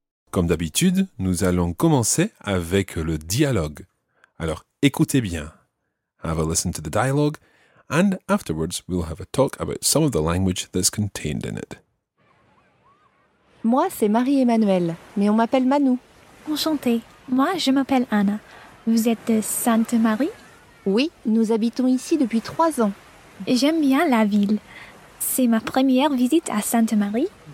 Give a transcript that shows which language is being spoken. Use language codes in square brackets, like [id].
[fr] Comme d'habitude, nous allons commencer avec le dialogue. Alors, écoutez bien. [en] Have a listen to the dialogue, and afterwards we'll have a talk about some of the language that's contained in it. [fr] Moi, c'est Marie-Emmanuelle, mais on m'appelle Manou. Enchantée. Moi, je m'appelle Anna. Vous êtes de Sainte-Marie? Oui, nous habitons ici depuis 3 ans. J'aime bien la ville. C'est ma première visite à Sainte-Marie.